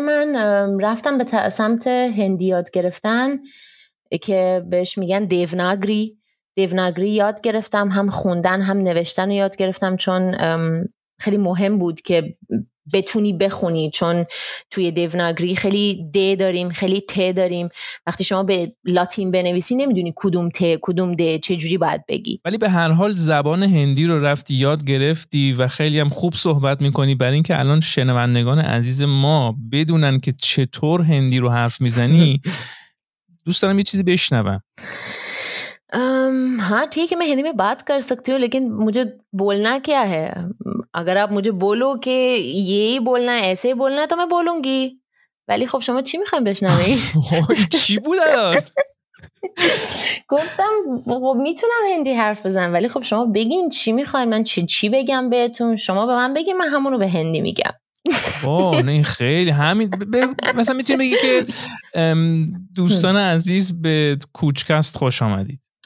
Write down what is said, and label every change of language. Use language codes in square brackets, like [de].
[fa] من رفتم به سمت هندی یاد گرفتن که بهش میگن دیوناگری، دیوناگری یاد گرفتم، هم خوندن هم نوشتن رو یاد گرفتم چون خیلی مهم بود که بتونی بخونی، چون توی دیوناگری خیلی د داریم خیلی ت داریم، وقتی شما به لاتین بنویسی نمیدونی کدوم ت کدوم د چه جوری باید بگی، ولی به هر حال زبان هندی رو رفتی یاد گرفتی و خیلی هم خوب صحبت میکنی، برای اینکه الان شنوندگان عزیز ما بدونن که چطور هندی رو حرف میزنی دوست دارم یه چیزی بشنوم. [ur] ها ٹھیک ہے میں ہندی میں بات کر سکتی ہوں لیکن مجھے بولنا کیا ہے، اگر آپ مجھے بولو کہ یہ ہی بولنا ہے ایسے ہی بولنا ہے تو میں بولوں گی، [fa] ولی خب شما چی میخوایم بشنوی؟ چی بود؟ گفتم خب میتونم هندی حرف بزنم ولی خب شما بگین چی میخوایم من چی بگم بهتون، شما به من بگین من همونو به هندی میگم. واو نه خیلی همین مثلا میتونی بگی که دوستان عزیز به کوچکست خوش آمدید.